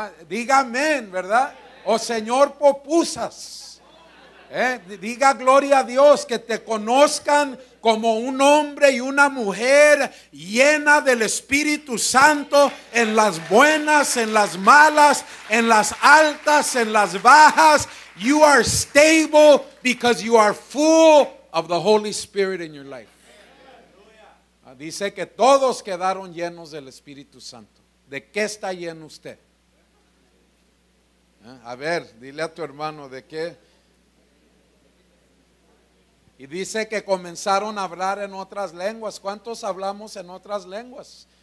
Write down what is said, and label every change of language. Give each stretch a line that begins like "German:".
Spanish: Diga amén, ¿verdad? O Señor Popusas. Diga gloria a Dios, que te conozcan como un hombre y una mujer llena del Espíritu Santo, en las buenas, en las malas, en las altas, en las bajas.
English: You are stable because you are full of the Holy Spirit in your life.
Spanish: Dice que todos quedaron llenos del Espíritu Santo. ¿De qué está lleno usted? A ver, dile a tu hermano, ¿de qué? Y dice que comenzaron a hablar en otras lenguas. ¿Cuántos hablamos en otras lenguas?